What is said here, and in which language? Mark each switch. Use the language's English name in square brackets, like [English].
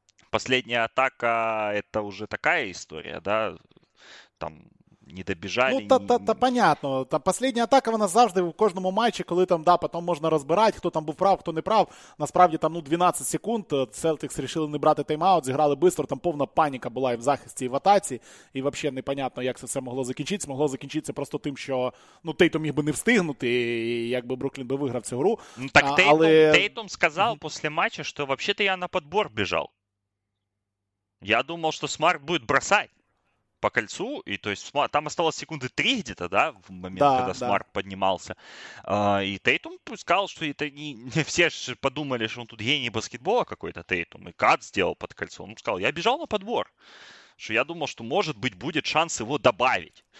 [Russian] Последняя атака, это уже такая история, да, там не добежали. [Ukrainian] Ну, та понятно. [Russian] Та последняя атака, [Ukrainian] вона завжди в кожному матчі, коли там, да, потім можна розбирати, хто там був прав, хто не прав. Насправді там, ну, 12 секунд, Celtics рішили не брати тайм-аут, зіграли швидко, там повна паніка була і в захисті, і в атаці, і взагалі непонятно, як це все могло закінчитися. Могло закінчитися просто тим, що, ну, Тейтом міг би не встигнути, і якби Бруклін би виграв цю гру. Ну, так Тейтом сказав після матчу, що взагалі-то я на підбор біжав. Я думав, що Смарт буде бросати по кольцу, [Russian] и то есть там осталось секунды 3 где-то, да, в момент, да, когда Смарт, да, поднимался. И Тейтум сказал, что это не все же подумали, что он тут гений баскетбола какой-то, Тейтум, и кат сделал под кольцо. Он сказал, я бежал на подбор, что я думал, что, может быть, будет шанс его добавить.